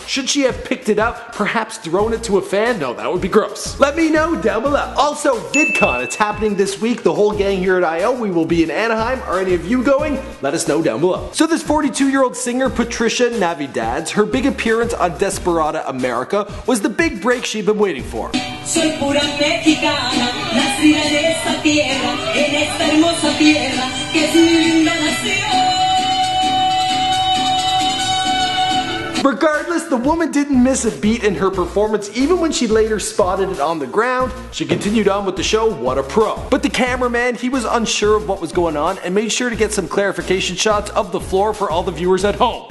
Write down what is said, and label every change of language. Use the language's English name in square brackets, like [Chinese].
[English] Should she have picked it up, perhaps thrown it to a fan? No, that would be gross. Let me know down below. Also, VidCon, it's happening this week. The whole gang here at IO, we will be in Anaheim. Are any of you going? Let us know down below. So this 42-year-old singer, Patricia Navidad, her big appearance on Desperada America was the big break she'd been waiting for. [Spanish] Soy pura mexicana, nacida de esta tierra, en esta hermosa tierra, que es mi linda nación. [English] Regardless, the woman didn't miss a beat in her performance, even when she later spotted it on the ground. She continued on with the show, what a pro. But the cameraman, he was unsure of what was going on and made sure to get some clarification shots of the floor for all the viewers at home.